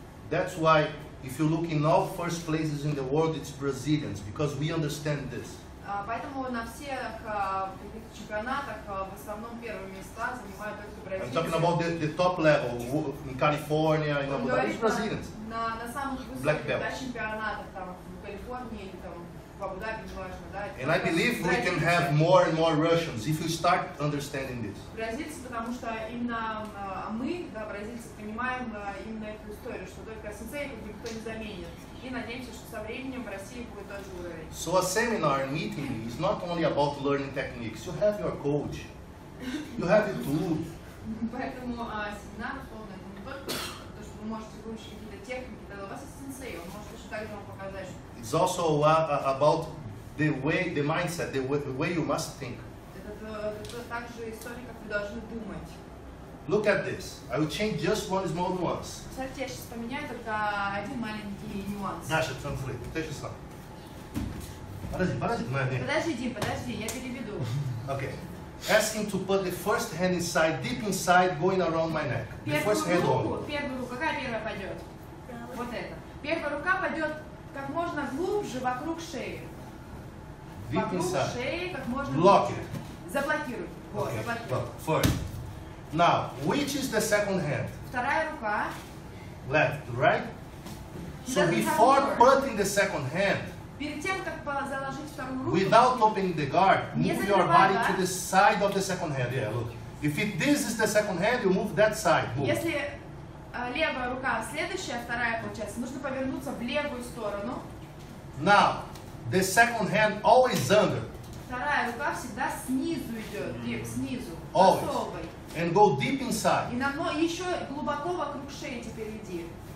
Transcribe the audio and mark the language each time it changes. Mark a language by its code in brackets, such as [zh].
[en] That's why if you look in all first places in the world, it's Brazilians, because we understand this. [ru] Поэтому на всех чемпионатах в основном первые места занимают только бразильцы. [en] I'm talking about the top level in California, in Abu Dhabi, it's Brazilians. [ru] На самых высоких чемпионатах там в Калифорнии или там в Абу Даби, неважно, да. [en] And I believe we can have more and more Russians if you start understanding this. [ru] Бразильцы, потому что именно мы, да, бразильцы, понимаем именно эту историю, что только сенсей никто не заменит. И надеемся, что со временем в России будет тот же уровень. [en] So a seminar meeting is not only about learning techniques. You have your coach. You have your tool. [ru] Поэтому семинар условно это не только то, что вы можете выучить какие-то техники, да, у вас есть сенсей, он может еще также вам показать. [en] It's also about the way, the mindset, the way you must think. [ru] Это также история, как вы должны думать. [en] Look at this. I will change just one small nuance. [ru] Смотрите, я сейчас поменяю только один маленький нюанс. Наша, транслит. Ты же сам. Подожди, я переведу. [en] Okay. Asking to put the first hand inside, deep inside, going around my neck. The [ru] первую [en] first hand [ru] руку, первую руку, какая первая пойдет? Вот это. Первая рука пойдет как можно глубже вокруг шеи. [en] Deep [ru] вокруг [en] inside. [ru] Шеи как можно [en] Block [ru] глубже. [en] It. [ru] Заблокируй. Вот, [en] okay. [ru] Заблокируй. [en] First. Now, which is the second hand? [ru] Вторая рука. [en] Left, right? So before putting the second hand, [ru] перед тем, как заложить вторую руку, [en] without opening the guard, move your body to the side of the second hand. Yeah, look. If this is the second hand, you move that side. Move. [ru] Если левая рука следующая, вторая получается, нужно повернуться в левую сторону. [en] Now, the second hand always under. [ru] Вторая рука всегда снизу идет, снизу. [en] Always. And go deep inside. [ru] И на, но еще глубоко вокруг шеи теперь иди.